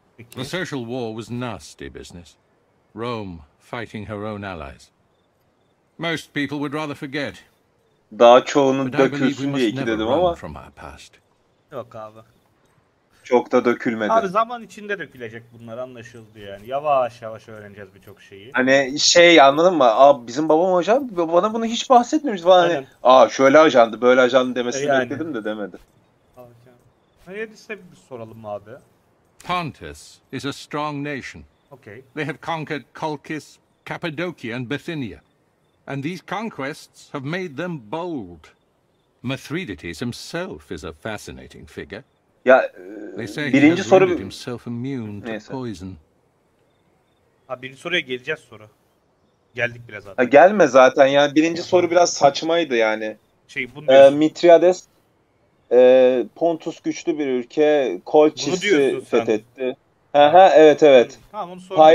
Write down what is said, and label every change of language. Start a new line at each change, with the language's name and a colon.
English: The social war was nasty business. Rome fighting her own allies. Most people would rather forget.
Turkish: Daha çoğunu dökülsün diye iki dedim ama. Yok abi. Çok da dökülmedi. Abi zaman içinde dökülecek bunlar, anlaşıldı yani. Yavaş yavaş öğreneceğiz birçok şeyi. Hani şey, anladın mı? Abi bizim babam ajan, bana bunu hiç bahsetmemiş. Bana hani, aa şöyle ajandı, böyle ajandı demesini yani bekledim de demedi. Hayırlısı bir soralım abi.
English: Pontus is a strong nation. Okay. They have conquered Colchis, Cappadocia and Bithynia. And these conquests have made them bold. Mithridates himself is a fascinating figure.
Turkish: Ya
English: they say
Turkish: birinci soru
English: himself immune to poison.
Turkish: Ha birinci soruya geleceğiz soru. Geldik biraz zaten. Ha gelme zaten. Yani birinci soru biraz saçmaydı yani. Şey bunu diyorsun. Mithridates Pontus güçlü bir ülke, Colchis'i fethetti. Ha evet evet. Tamam onu soruyorum.